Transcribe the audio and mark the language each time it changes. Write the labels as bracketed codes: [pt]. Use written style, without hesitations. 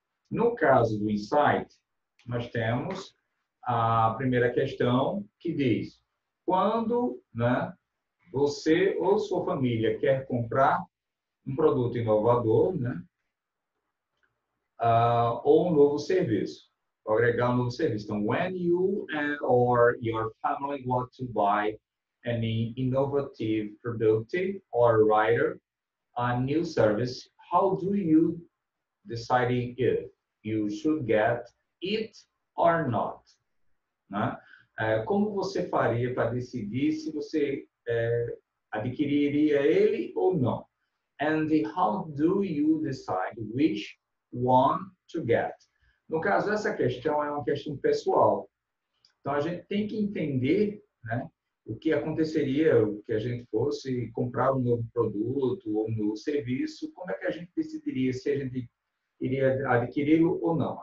[pt] No caso do insight, nós temos a primeira questão que diz: quando, né, você ou sua família quer comprar um produto inovador, né, ou um novo serviço, vou agregar um novo serviço. [en] Então, when you and or your family want to buy any innovative product or rider a new service, how do you deciding if you should get it or not? [pt] Né? Como você faria para decidir se você adquiriria ele ou não? [en] And how do you decide which one to get? [pt] No caso, essa questão é uma questão pessoal. Então, a gente tem que entender, né, o que aconteceria que a gente fosse comprar um novo produto ou um novo serviço, como é que a gente decidiria se a gente iria adquiri-lo ou não?